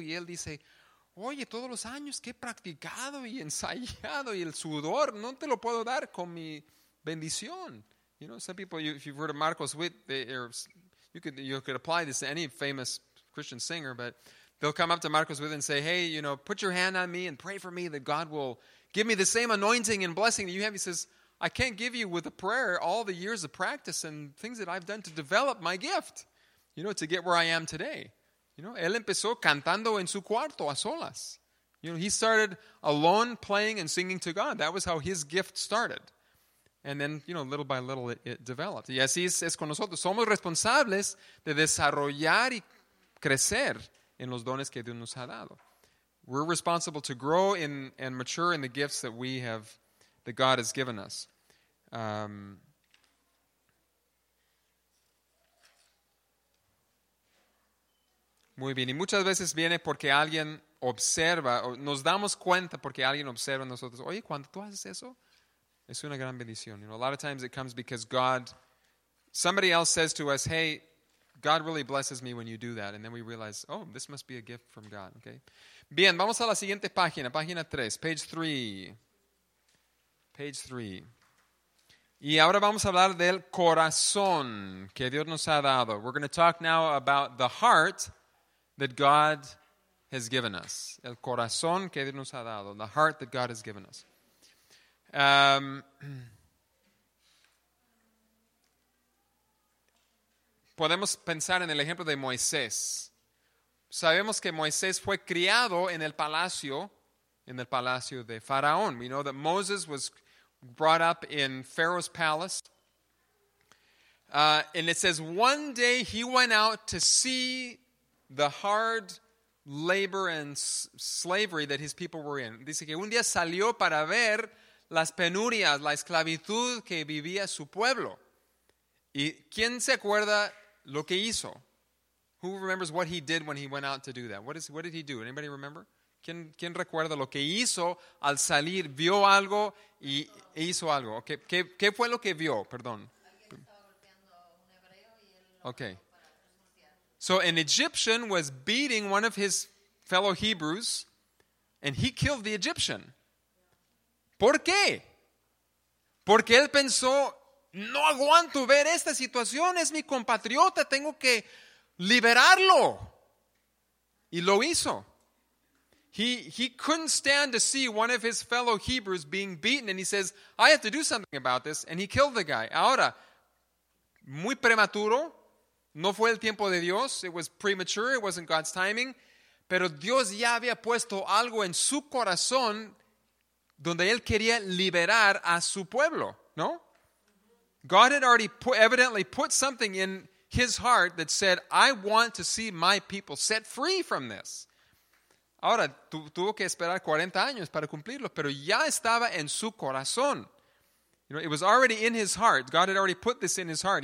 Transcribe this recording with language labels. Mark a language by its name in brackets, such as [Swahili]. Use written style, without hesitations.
[Spanish] Y él dice, oye, todos los años que he practicado y ensayado y el sudor, no te lo puedo dar con mi bendición. [English] You know, some people, if you've heard of Marcos Witt, you could apply this to any famous Christian singer, but they'll come up to Marcos Witt and say, hey, you know, put your hand on me and pray for me that God will give me the same anointing and blessing that you have. He says, I can't give you with a prayer all the years of practice and things that I've done to develop my gift, you know, to get where I am today. You know, [Spanish] él empezó cantando en su cuarto a solas. [English] You know, he started alone playing and singing to God. That was how his gift started. And then, you know, little by little it developed. [Spanish] Y así es con nosotros. Somos responsables de desarrollar y crecer en los dones que Dios nos ha dado. [English] We're responsible to grow in and mature in the gifts that we have, that God has given us. [Spanish] Muy bien, y muchas veces viene porque alguien observa, o nos damos cuenta porque alguien observa a nosotros. Oye, cuando tú haces eso, es una gran bendición. [English] You know, a lot of times it comes because somebody else says to us, hey, God really blesses me when you do that. And then we realize, oh, this must be a gift from God. Okay. [Spanish] Bien, vamos a la siguiente página, página 3, [English] page 3. Page 3. [Spanish] Y ahora vamos a hablar del corazón que Dios nos ha dado. [English] We're going to talk now about the heart that God has given us. [Spanish] El corazón que Dios nos ha dado. [English] The heart that God has given us. [Spanish] Podemos pensar en el ejemplo de Moisés. Sabemos que Moisés fue criado en el palacio de Faraón. [English] We know that Moses was brought up in Pharaoh's palace. And it says, one day he went out to see the hard labor and slavery that his people were in. [Spanish] Dice que un día salió para ver las penurias, la esclavitud que vivía su pueblo. ¿Y quién se acuerda lo que hizo? [English] Who remembers what he did when he went out to do that? What did he do? Anybody remember? [Spanish] ¿Quién recuerda lo que hizo al salir? ¿Vio algo y hizo algo? Okay. ¿Qué fue lo que vio? Perdón. Alguien estaba golpeando a un hebreo y él lo [English] okay. So an Egyptian was beating one of his fellow Hebrews and he killed the Egyptian. [Spanish] ¿Por qué? Porque él pensó, no aguanto ver esta situación, es mi compatriota, tengo que liberarlo. Y lo hizo. [English] He couldn't stand to see one of his fellow Hebrews being beaten and he says, I have to do something about this, and he killed the guy. [Spanish] Ahora, muy prematuro, no fue el tiempo de Dios, [English] it was premature, it wasn't God's timing, [Spanish] pero Dios ya había puesto algo en su corazón donde él quería liberar a su pueblo, ¿no? [English] God had already evidently put something in his heart that said, I want to see my people set free from this. [Spanish] Ahora, tuvo que esperar 40 años para cumplirlo, pero ya estaba en su corazón. [English] You know, it was already in his heart. God had already put this in his heart.